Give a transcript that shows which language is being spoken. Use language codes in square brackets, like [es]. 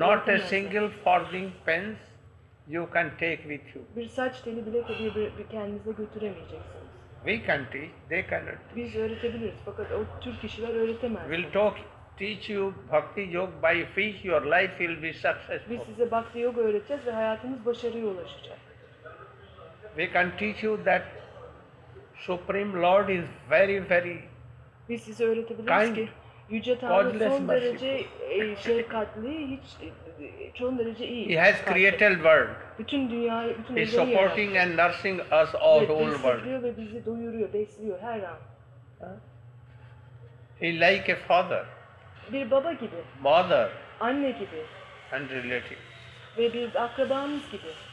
[en] not a single farthing pence you can take with you. [tr] Bir saç teli bile bir kendinize götüremeyeceksiniz. [en] We can teach, they cannot. [tr] Biz öğretebiliriz fakat o tür kişiler öğretemez. [en] We'll talk. Teach you bhakti yoga by which your life will be successful. [tr] Biz size bhakti yoga öğreteceğiz ve hayatınız başarıya ulaşacak. [en] We can teach you that Supreme Lord is very very. [tr] Biz size öğretebiliriz ki yüce Tanrı son derece şefkatli, hiç çoğun derece iyi. [en] He has created world. [tr] Bütün dünyayı, bütün [en] evreni. He is supporting and nursing us all the whole world. [tr] Besliyor ve bizi doyuruyor, besliyor her an. [en] He like a father. [tr] Bir baba gibi. [en] Mother. [tr] Anne gibi. [en] And relative. [tr] Ve bir akrabamız gibi.